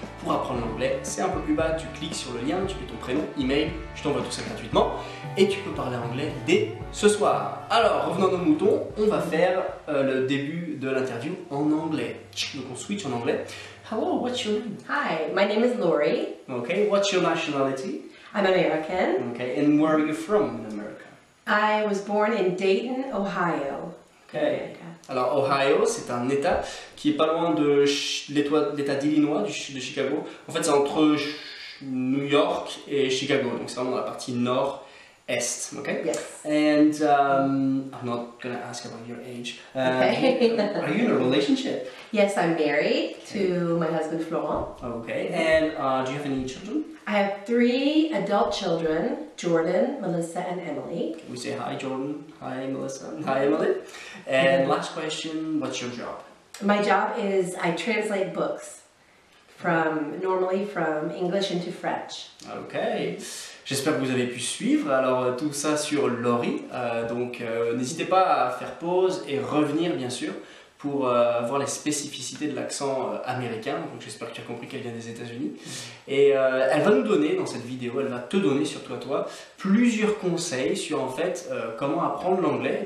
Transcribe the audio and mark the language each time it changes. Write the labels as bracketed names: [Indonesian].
[French] Pour apprendre l'anglais, c'est un peu plus bas, tu cliques sur le lien, tu mets ton prénom, email, je t'envoie tout ça gratuitement et tu peux parler anglais dès ce soir. Alors, revenons à nos moutons, on va faire le début de l'interview en anglais. Donc on switch en anglais. [English] Hello, what's your name? Hi, my name is Lori. Okay, what's your nationality? I'm American. Okay, and where are you from in America? I was born in Dayton, Ohio. Okay. [French] Alors, Ohio, c'est un état qui est pas loin de l'état d'Illinois, de Chicago. En fait, c'est entre New York et Chicago, donc c'est vraiment la partie nord-est, ok? [English] Yes. And I'm not gonna ask about your age. Okay. Are you in a relationship? Yes, I'm married to my husband, Florent. Okay, and do you have any children? I have three adult children, Jordan, Melissa, and Emily. Can we say hi, Jordan? Hi, Melissa. Hi, Emily. And last question, what's your job? My job is I translate books normally from English into French. Okay. [French] J'espère que vous avez pu suivre alors tout ça sur Lori. N'hésitez pas à faire pause et revenir, bien sûr, pour voir les spécificités de l'accent américain. Donc j'espère que tu as compris qu'elle vient des États-Unis. Et elle va nous donner, dans cette vidéo, elle va te donner, surtout à toi, plusieurs conseils sur, en fait, comment apprendre l'anglais.